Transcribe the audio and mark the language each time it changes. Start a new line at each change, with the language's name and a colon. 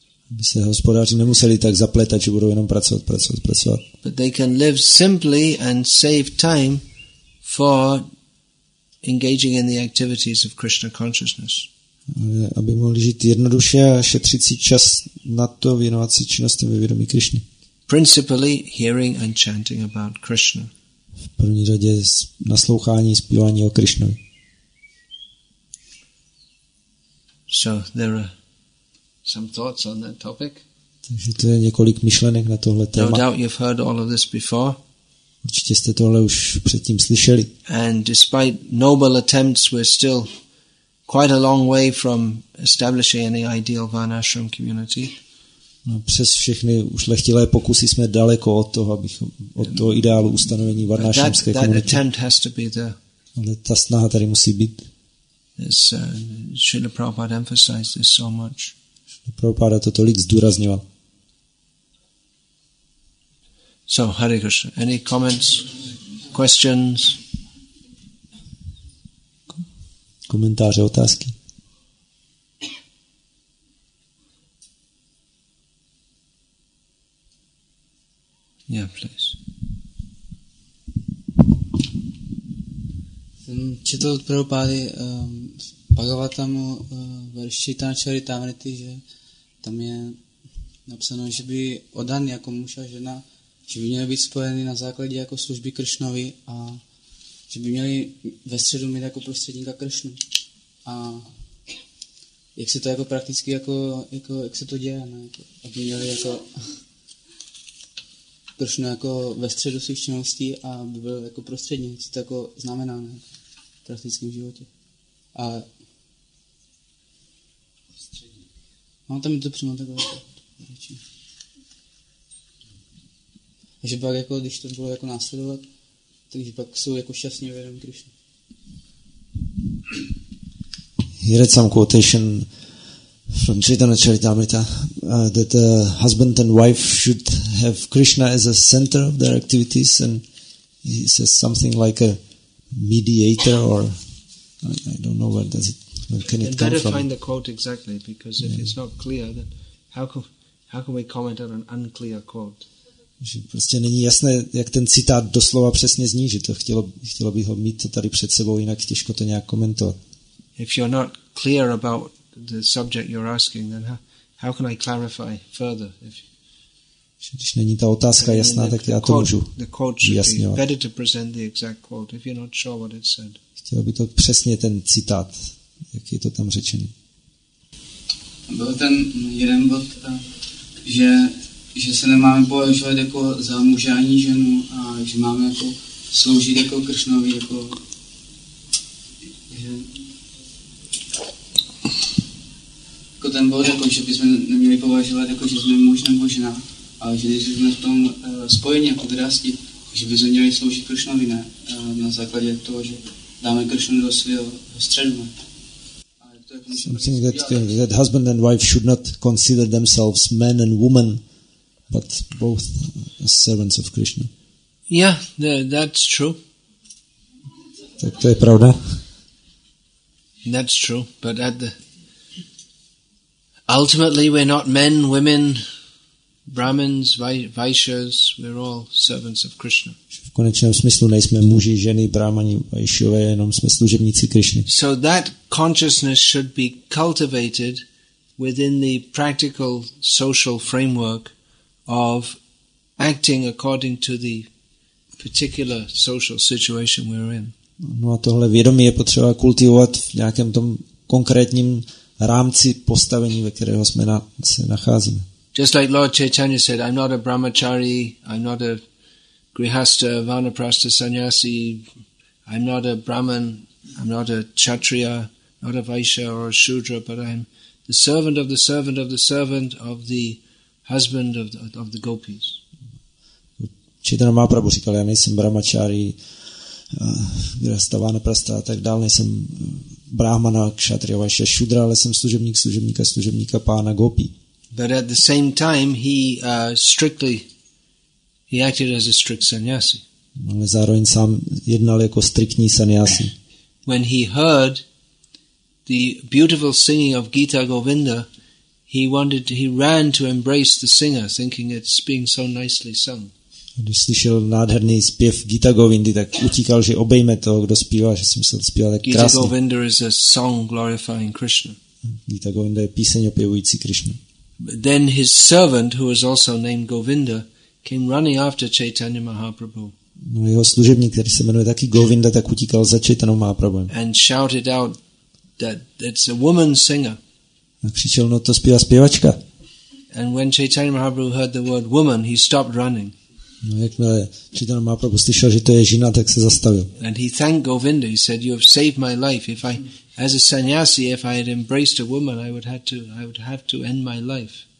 Czech: Aby se hospodáři nemuseli tak zapletat, že budou jenom pracovat.
English: But they can live simply and save time for engaging in the activities of Krishna consciousness.
Czech: Aby mohli žít jednoduše a šetřit si čas na to, věnovat si činnostem ve vědomí Krišny.
English: Principally hearing and chanting about Krishna.
Czech: V první řadě naslouchání, zpívání o Krišnovi.
English: So there are some thoughts on that topic.
Czech: Takže to je několik myšlenek na tohle téma.
English: No doubt you've heard all of this before.
Czech: Určitě jste tohle už předtím slyšeli.
English: And despite noble attempts, we're still quite a long way from establishing any ideal vanashram community.
Czech: No, přes všechny ušlechtilé pokusy jsme daleko od toho, abychom od toho ideálu ustanovení vanashramské komunity.
English: That attempt has to be there.
Czech: Ale ta snaha tady musí být.
English: As Srila Prabhupada emphasized this so much.
Czech: Prabhupada to tolik zdůrazňoval.
English: So, Hare Krishna, any comments, questions?
Czech: Komentáře, otázky?
English: Yeah, please.
Czech: Četl od Prabhupády Bhagavatamu verši Tanacharitamrity, že tam je napsáno, že by oddan jako muž a žena, že by měli být spojeny na základě jako služby Kršnovi a že by měli ve středu mít jako prostředníka Kršnu. A jak se to jako prakticky, jako jak se to děje, ne? Jako, aby měli jako Kršnu jako ve středu svých činností a by byl jako prostředník, co to jako znamená, ne? Praktickém životě. A no, tam je to přímo takové. Takže pak, jako, když to bylo jako následovat, takže pak jsou jako šťastní vědomí Krišna.
English: He read some quotation from Chaitanya Charitamrita that a husband and wife should have Krishna as a center of their activities, and he says something like a mediator, or I don't know where does it, where can it come from? Better find the quote exactly, because if it's not clear, then how can we comment on an unclear quote?
Czech: Že prostě není jasné, jak ten citát doslova přesně zní, že to chtělo by ho mít to tady před sebou, jinak těžko to nějak komentovat.
English: If you're not clear about the subject you're asking, then how can I clarify further?
Czech: Když není ta otázka jasná, tak já to můžu vyjasňovat.
English: Better to present the exact quote if you're not sure what it said.
Czech: Chtělo by to přesně ten citát, jak je to tam řečeno. Byl ten jeden bod, že se nemáme považovat jako za muže ani ženu a že máme jako sloužit jako Kršnovi, jako ten bod, jako, že bychom neměli považovat jako, že jsme muž nebo žena. Ale že když jsme v tom spojení jako drásti, že by se měli sloužit Kršnovi, ne? Na základě toho, že dáme Kršnu do svého středu.
English: Something that husband and wife should not consider themselves men and women, but both as servants of Krishna. Yeah, that's true.
Czech: Tak to je pravda.
English: That's true, but at the ultimately we're not men, women, Brahmins, Vaishyas, we're all servants of Krishna.
Czech: V konečném smyslu nejsme muži, ženy, brahmani, vaishyové, jenom jsme služebníci Krišny.
English: So that consciousness should be cultivated within the practical social framework of acting according to the particular social situation we're in.
Czech: No a tohle vědomí je potřeba kultivovat v nějakém tom konkrétním rámci postavení, ve kterého jsme se nacházíme.
English: Just like Lord Chaitanya said, I'm not a brahmachari, I'm not a grihastha, vanaprastha, sannyasi, I'm not a brahman, I'm not a kshatriya, not a vaishya or a shudra, but I'm the servant of the servant of the servant of the husband of the gopis.
Czech: Chaitanya Mahaprabhu říkal, já nejsem brahmachari, grihastha, vanaprastha a tak dále, nejsem brahmana, kshatriya, vaishya, shudra, ale jsem služebník služebníka, služebníka pána gopi.
English: But at the same time, he acted as a strict sannyasi.
Czech: Ale zároveň sám jednal jako striktní sannyasi.
English: When he heard the beautiful singing of Gita Govinda, he ran to embrace the singer, thinking it's being so nicely sung.
Czech: Když slyšel nádherný zpěv Gita Govindy, tak utíkal, že obejme toho, kdo zpívá, že si myslel, zpívá tak krásně.
English: Gita Govinda is a song glorifying Krishna.
Czech: Gita Govinda je píseň opěvující Krishna.
English: Then his servant, who was also named Govinda, came running after Chaitanya Mahaprabhu.
Czech: No, jeho služebník, který se jmenuje taky Govinda, tak utíkal za Chaitanya Mahaprabhu.
English: And shouted out that it's a woman singer.
Czech: A křičel, no to zpívá zpěvačka.
English: And when Chaitanya Mahaprabhu heard the word woman, he stopped running.
Czech: No, jakmile Chaitanya Mahaprabhu slyšel, že to je žena, tak se zastavil.
English: And he thanked Govinda. He said, "You have saved my life. If I, as a sannyasi, if I had embraced a woman, I would have to end my life.